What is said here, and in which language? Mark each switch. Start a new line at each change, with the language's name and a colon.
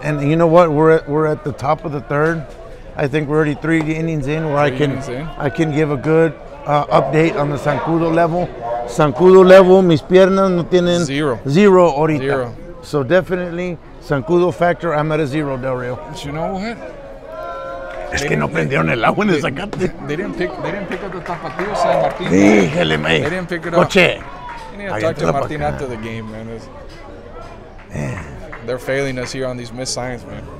English: And you know what? We're at the top of the third. I think we're already three innings in where I can give a good update on the Zancudo level.
Spanish: Zancudo level, mis piernas no tienen.
English: Zero. Zero ahorita. Zero. So definitely, Zancudo factor, I'm at a zero, Del Rio. But you know what?
Spanish: Es que no prendieron el agua en el Zacate.
English: They didn't pick up the Tapatío San Martín.
Spanish: Híjole, man.
English: They didn't pick it up.
Spanish: Coche.
English: You need to talk to Martín after the game, man. They're failing us here on these missed signs, man.